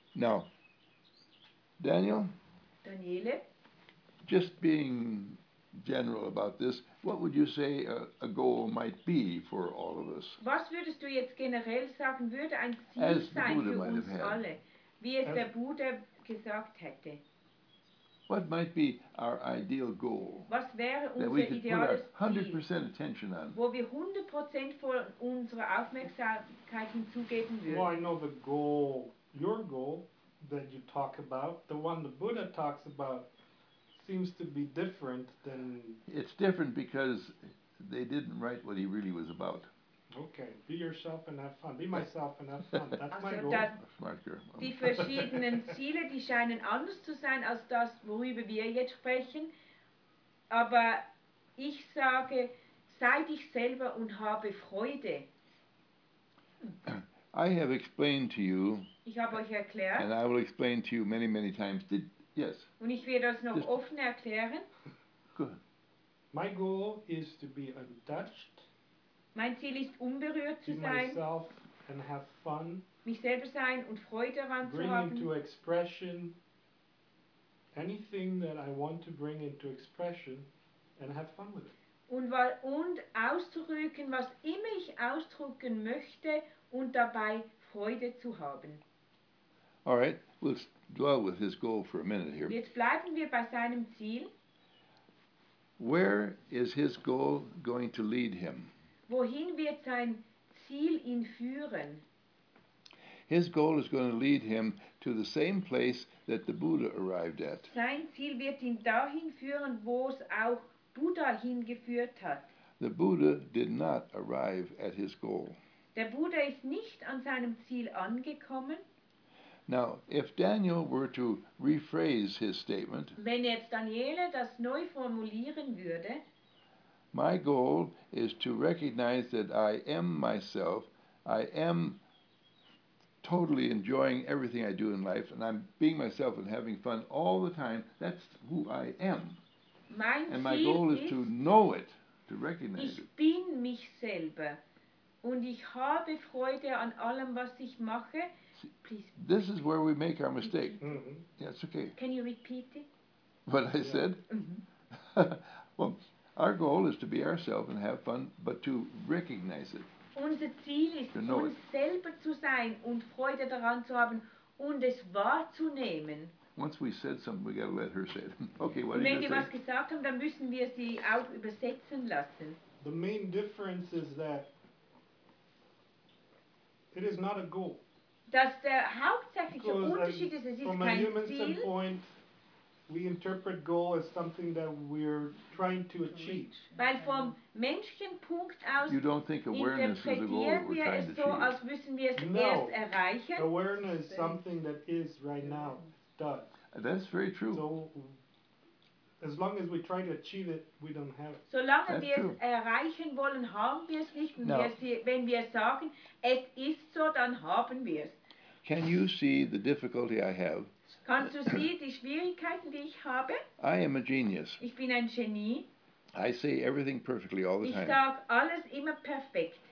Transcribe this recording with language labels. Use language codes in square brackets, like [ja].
[en] Now, Daniele, just being general about this, what would you say a goal might be for all of us? [de] Was würdest du jetzt generell sagen, würde ein Ziel sein für uns alle, wie es der Buddha gesagt hätte? [en] What might be our ideal goal? [de] Was wäre unser ideales Ziel? [en] That we could put our 100% attention on. [de] Wo wir 100% von unserer Aufmerksamkeit hinzugeben würden. [en] Well, I know the goal, your goal that you talk about, the one the Buddha talks about, seems to be different than... It's different because they didn't write what he really was about. Okay, be yourself and have fun. Be myself and have fun. That's also my goal. [de] Die verschiedenen Ziele, die scheinen anders zu sein als das, worüber wir jetzt sprechen. Aber ich sage, sei dich selber und habe Freude. [en] I have explained to you. [de] Ich habe euch erklärt. [en] And I will explain to you many, many times. Yes. [de] Und ich werde das noch offen erklären. [en] Good. My goal is to be untouched. [de] Mein Ziel ist unberührt zu [en] sein. Be myself and have fun. [de] Mich selber sein und Freude daran zu haben. [en] Bring into expression anything that I want to bring into expression and have fun with it. [de] Und auszudrücken, was immer ich ausdrücken möchte und dabei Freude zu haben. [en] All right, we'll dwell with his goal for a minute here. [de] Jetzt bleiben wir bei seinem Ziel. [en] Where is his goal going to lead him? [de] Wohin wird sein Ziel ihn führen? [en] His goal is going to lead him to the same place that the Buddha arrived at. [de] Sein Ziel wird ihn dahin führen, wo es auch Buddha hingeführt hat. [en] The Buddha did not arrive at his goal. [de] Der Buddha ist nicht an seinem Ziel angekommen. [en] Now, if Daniel were to rephrase his statement, [de] wenn jetzt Daniele das neu formulieren würde, [en] my goal is to recognize that I am myself, I am totally enjoying everything I do in life, and I'm being myself and having fun all the time, that's who I am. [de] Mein [en] and [de] Ziel [en] my goal is to know it, to recognize [de] ich [en] it. [de] Ich bin mich selber, und ich habe Freude an allem, was ich mache. [en] Please, this is where we make our mistake. Mm-hmm. Yeah, it's okay. Can you repeat it? What I said? Mm-hmm. Well, our goal is to be ourselves and have fun, but to recognize it. [de] Unser Ziel ist, uns selber zu sein und Freude daran zu haben und es wahrzunehmen. [en] Once we said something, we gotta let her say it. Okay, what did you say? [de] Wenn wir was gesagt haben, dann müssen wir sie auch übersetzen lassen. [en] The main difference is that it is not a goal. [de] Dass der hauptsächliche Unterschied ist, es ist kein Ziel. [en] From a human standpoint, we interpret goal as something that we're trying to achieve. [de] Weil vom menschlichen Punkt aus, [en] you don't think awareness is a goal that we're trying to achieve. [de] No, erst erreichen. [en] Awareness is something that is right now done. That's very true. So, as long as we try to achieve it, we don't have it. [de] Solange wir es erreichen wollen, haben wir es nicht. Now, wenn wir sagen, es ist so, dann haben wir es. [en] Can you see the difficulty I have? [de] Kannst du sehen die Schwierigkeiten, die ich habe? [en] I am a genius. [de] Ich bin ein Genie. [en] I say everything perfectly all the [de] ich [en] time. [de] Ich sage alles immer perfekt.